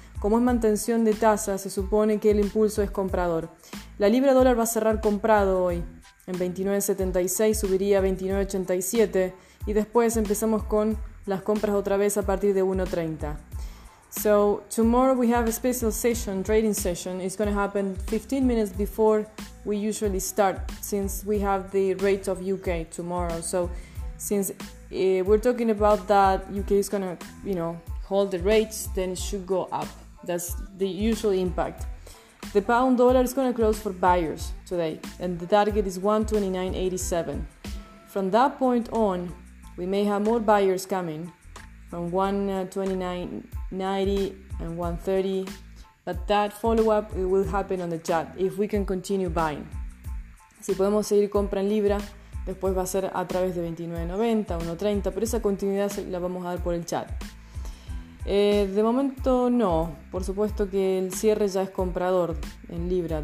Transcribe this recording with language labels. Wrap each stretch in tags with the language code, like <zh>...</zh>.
<es>Como es mantención de tasa, se supone que el impulso es comprador. La libra dólar va a cerrar comprado hoy. En 29.76 subiría a 29.87 y después empezamos con las compras otra vez a partir de 1.30.</es> <en>So, tomorrow we have a special session, trading session. It's going to happen 15 minutes before we usually start, since we have the rate of UK tomorrow. So, since we're talking about that UK is going to, you know, hold the rates, then it should go up. That's the usual impact. The pound dollar is going to close for buyers today, and the target is 129.87. From that point on, we may have more buyers coming from 129.90 and 130, but that follow-up will happen on the chat if we can continue buying.</en> <es>Si podemos seguir compra en libra, después va a ser a través de 29.90, 1.30, pero esa continuidad la vamos a dar por el chat. De momento no, por supuesto que el cierre ya es comprador en libra.</es>